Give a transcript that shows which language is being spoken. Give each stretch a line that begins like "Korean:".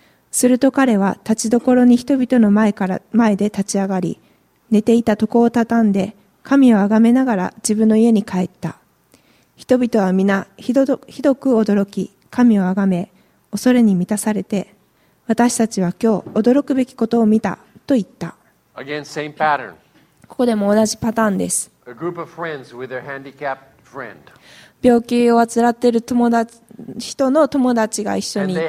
Japanese: すると彼は立ちどころに人々の前で立ち上がり、寝ていた床を畳んで神をあがめながら自分の家に帰った。人々は皆ひどく驚き、神をあがめ恐れに満たされて、私たちは今日驚くべきことを見たと言った。
English: Again, same pattern.
Japanese: ここでも同じパターンです。
English: A group of friends with their handicapped friend.
Japanese: 病気を患っている友達、人の友達が一緒にいて、